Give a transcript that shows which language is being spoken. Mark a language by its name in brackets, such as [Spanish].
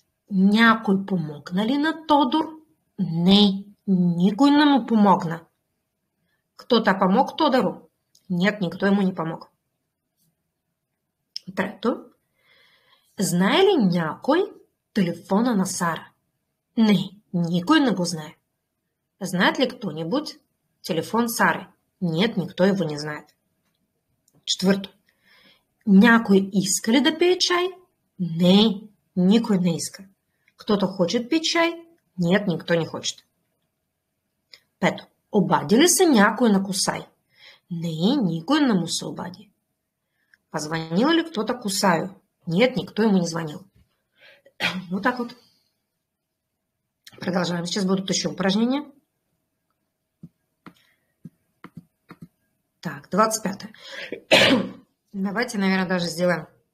[Bulgarian] Някой помогна ли на Тодор? Не, никой не му помогна. [Russian] Кто-то помог Тодору? Нет, никто ему не помог. [Bulgarian] Трето. Знае ли някой телефона на Сара? Не, никой не го знае. [Russian] Знает ли кто-нибудь телефон Сары? Нет, никто его не знает. [Bulgarian] Четвърто. Някой иска ли да пие чай? Не, никой не иска. [Russian] Кто-то хочет пить чай? Нет, никто не хочет. [Bulgarian] Пето. Обади ли се някой на Кусай? Не, никой не му се обади. [Russian] Позвонил ли кто-то Кусаю? Нет, никто ему не звонил. Вот так вот. Продолжаем. Сейчас будут еще упражнения. Так, 25-е. Давайте, наверное, даже сделаем.